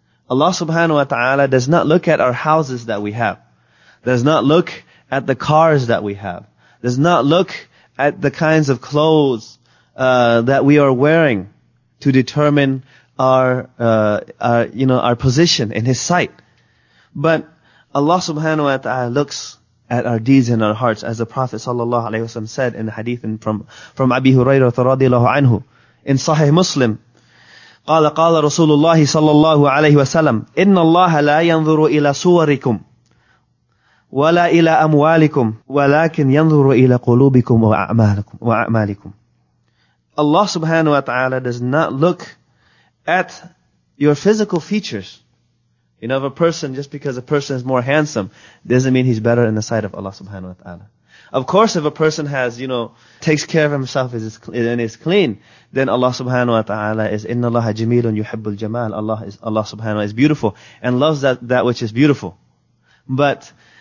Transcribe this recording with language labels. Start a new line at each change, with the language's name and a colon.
English: Allah subhanahu wa ta'ala does not look at our houses that we have, does not look at the cars that we have, does not look at the kinds of clothes that we are wearing to determine our position in His sight. But Allah subhanahu wa ta'ala looks at our deeds in our hearts, as the Prophet sallallahu alaihi wasallam said in the hadith from Abi Hurairah radiallahu anhu in Sahih Muslim.
Arabic: قال رسول الله صلى الله عليه وسلم إن الله لا ينظر إلى صوركم ولا إلى أموالكم ولكن ينظر إلى قلوبكم وأعمالكم.
English: Allah subhanahu wa ta'ala does not look at your physical features. You know, if a person, just because a person is more handsome, doesn't mean he's better in the sight of Allah subhanahu wa ta'ala. Of course, if a person has, you know, takes care of himself and is clean, then Allah subhanahu wa ta'ala is,
Arabic: إِنَّ اللَّهَ جَمِيلٌ يُحِبُّ الْجَمَالِ.
English: Allah subhanahu wa ta'ala is beautiful and loves that which is beautiful. But